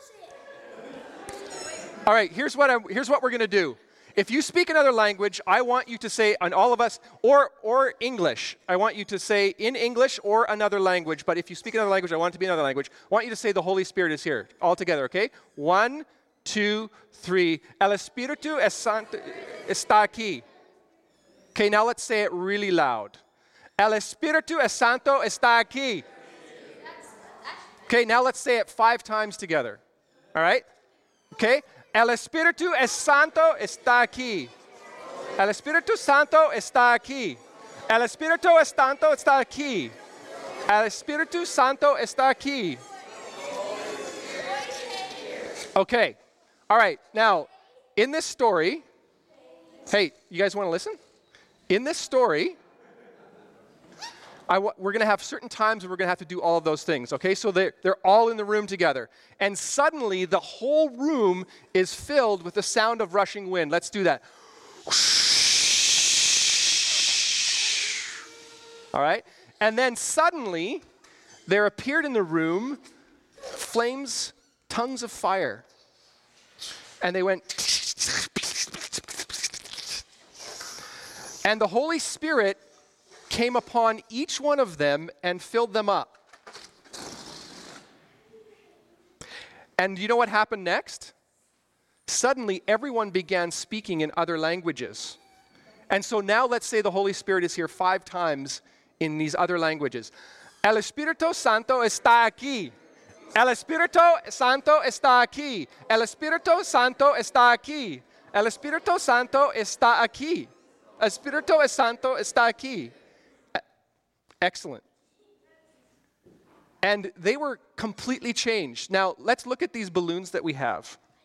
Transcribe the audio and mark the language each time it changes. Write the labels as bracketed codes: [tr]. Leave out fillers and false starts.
[en] to say it. All right, here's what we're going to do. If you speak another language, I want you to say, and all of us, or English, I want you to say in English or another language, but if you speak another language, I want it to be another language. I want you to say the Holy Spirit is here, all together, okay? 1, 2, 3. [es] El Espíritu es Santo está aquí. [en] Okay, now let's say it really loud. [es] El Espíritu es Santo está aquí. [en] Okay, now let's say it 5 times together. All right? Okay? [es] El Espíritu es Santo está aquí. El Espíritu Santo está aquí. El Espíritu es Santo está aquí. El Espíritu Santo está aquí. [en] Okay. All right, now, in this story, hey, you guys want to listen? In this story, we're going to have certain times where we're going to have to do all of those things, okay? So they're all in the room together. And suddenly, the whole room is filled with the sound of rushing wind. Let's do that. All right? And then suddenly, there appeared in the room flames, tongues of fire. And they went, and the Holy Spirit came upon each one of them and filled them up. And you know what happened next? Suddenly, everyone began speaking in other languages. And so now let's say the Holy Spirit is here five times in these other languages. [es] El Espíritu Santo está aquí. El Espíritu Santo está aquí. El Espíritu Santo está aquí. El Espíritu Santo está aquí. El Espíritu Santo está aquí. [en] Excellent. And they were completely changed. Now, let's look at these balloons that we have.